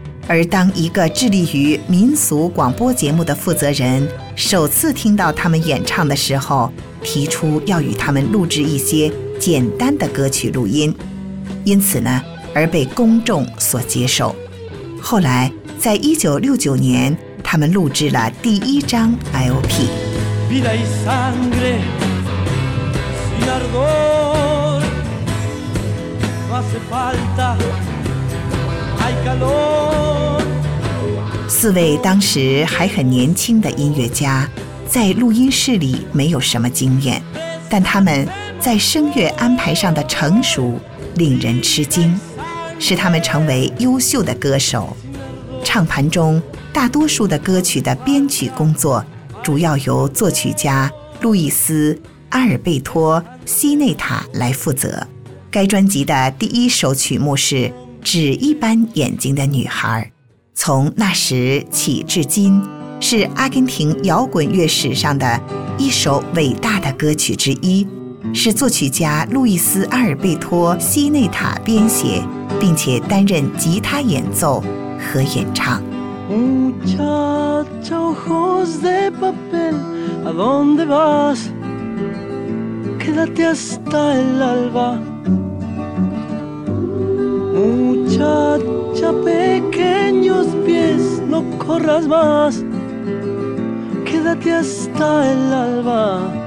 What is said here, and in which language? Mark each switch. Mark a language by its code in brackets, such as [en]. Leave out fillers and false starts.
[zh] 而当一个致力于民俗广播节目的负责人首次听到他们演唱的时候，提出要与他们录制一些简单的歌曲录音，因此呢而被公众所接受。后来在1969年，他们录制了第一张 LP。 [es] Vida y sangre, sin ardor, no hace falta, hay calor. [zh] 四位当时还很年轻的音乐家，在录音室里没有什么经验，但他们在声乐安排上的成熟令人吃惊，使他们成为优秀的歌手。唱盘中大多数的歌曲的编曲工作主要由作曲家路易斯·阿尔贝托·西内塔来负责。该专辑的第一首曲目是《纸一般眼睛的女孩》，从那时起至今，是阿根廷摇滚乐史上的一首伟大的歌曲之一，是作曲家路易斯·阿尔贝托·西内塔编写，并且担任吉他演奏和演唱。 [es] Muchacha, ojos de papel, ¿a dónde vas? Quédate hasta el alba. Muchacha. muchacha, pequeños pies, no corras más, quédate hasta el alba.